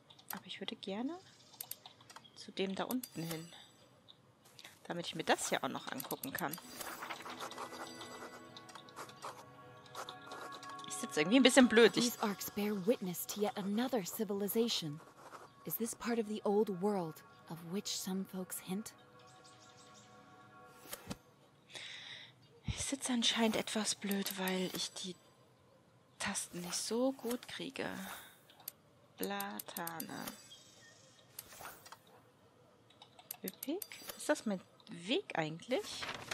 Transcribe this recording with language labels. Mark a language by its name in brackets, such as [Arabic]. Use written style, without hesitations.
[German] Aber ich würde gerne zu dem da unten hin. Damit ich mir das hier auch noch angucken kann. Ich sitze irgendwie ein bisschen blöd. [English] These arcs bear witness to yet another civilization. Is this part of the old world, of which some folks hint? [German] Ich sitze anscheinend etwas blöd, weil ich die Tasten nicht so gut kriege. Platane. Üppig? Ist das mein Weg eigentlich?